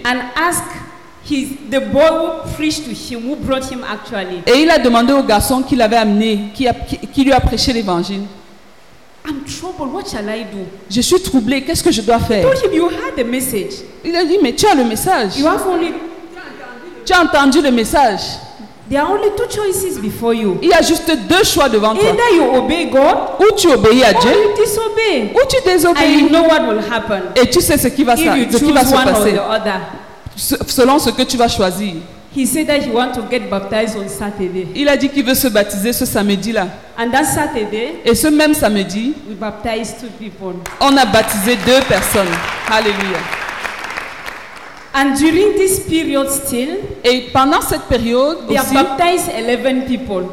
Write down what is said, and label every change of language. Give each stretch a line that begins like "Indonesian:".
English: And asked his the boy who preached to him, who brought him actually.
French: Et il a demandé au garçon qui l'avait amené, qui lui a prêché l'évangile.
English: I'm troubled. What shall I do?
French: Je suis troublé. Qu'est-ce que je dois faire?
English: Told him you had the message.
French: Il a dit mais tu as le message.
English: You have only.
French: Tu as entendu le message.
English: There are only 2 choices before you.
French: Il y a juste 2 choix devant
English: either Either you obey God.
French: Ou tu obéis à
English: or
French: Dieu.
English: Or you disobey.
French: Ou tu désobéis.
English: And you know what will happen.
French: Et tu sais ce qui va se passer.
English: If you choose one or the other.
French: Selon ce que tu vas choisir.
English: He said that he want to get baptized on Saturday.
French: Il a dit qu'il veut se baptiser ce samedi là.
English: And that Saturday,
French: et ce même samedi,
English: we baptized two people.
French: On a baptisé deux personnes. Hallelujah.
English: And during this period still,
French: et pendant cette période
English: they
French: aussi,
English: baptized 11 people.